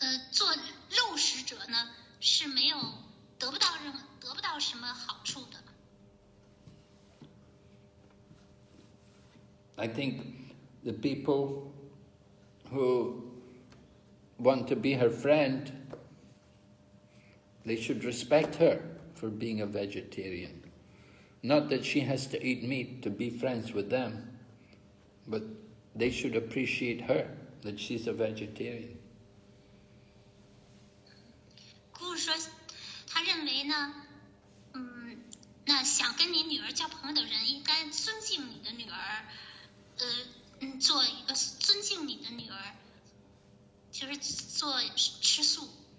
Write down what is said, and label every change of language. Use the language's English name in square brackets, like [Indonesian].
[Chinese] 做肉食者呢是没有得不到什么好处的。 [English] I think the people who want to be her friend, they should respect her for being a vegetarian. Not that she has to eat meat to be friends with them, but they should appreciate her that she's a vegetarian. [Chinese] 姑姑说，她认为呢，那想跟你女儿交朋友的人应该尊敬你的女儿，做一个尊敬你的女儿，就是做吃素。